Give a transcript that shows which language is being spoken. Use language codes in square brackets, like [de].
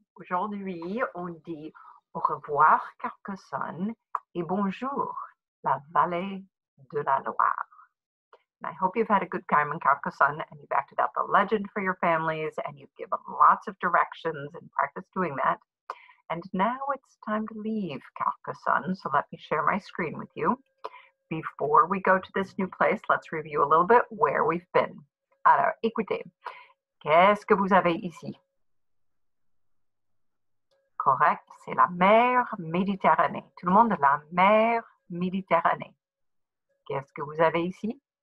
[fr] Aujourd'hui, on dit au revoir, Carcassonne, et bonjour, la vallée de la Loire. [en] And I hope you've had a good time in Carcassonne and you've acted out the legend for your families and you've given lots of directions and practice doing that. And now it's time to leave Carcassonne, so let me share my screen with you. Before we go to this new place, let's review a little bit where we've been. [fr] Alors, écoutez, qu'est-ce que vous avez ici? Correct, c'est la mer Méditerranée. Tout le monde, la mer Méditerranée. Qu'est-ce que vous avez ici?